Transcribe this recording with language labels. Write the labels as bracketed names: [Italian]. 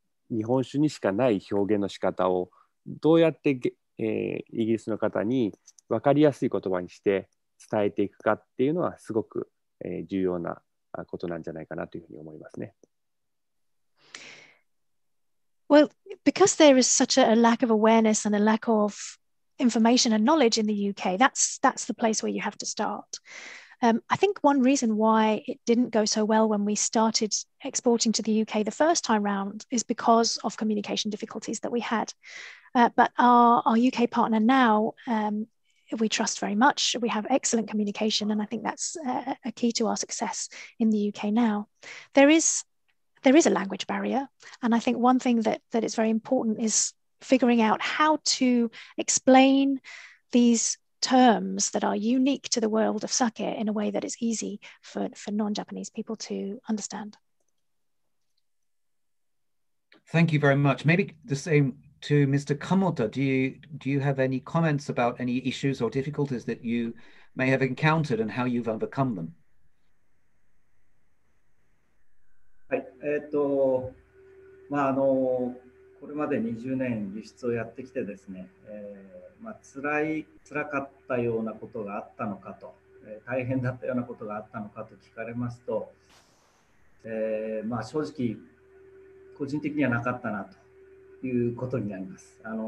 [Japanese] 日本酒にしかない表現の仕方をどうやって、イギリスの方に分かりやすい言葉にして伝えていくかっていうのはすごく、重要なことなんじゃないかなというふうに思いますね。 [English] Well, because there is such a lack of awareness and a lack of information and knowledge in the UK, that's the place where you have to start. I think one reason why it didn't go so well when we started exporting to the UK the first time round is because of communication difficulties that we had. But our UK partner now, we trust very much. We have excellent communication, and I think that's a key to our success in the UK now. There is a language barrier. And I think one thing that is very important is figuring out how to explain these terms that are unique to the world of sake in a way that is easy for non-Japanese people to understand. Thank you very much. Maybe the same to Mr. Kamoda. Do you have any comments about any issues or difficulties that you may have encountered and how you've overcome them? [Japanese] はい、これまで20年輸出をやってきてですね、辛かったようなことがあったのかと、大変だったようなことがあったのかと聞かれますと、正直個人的にはなかったなということになります。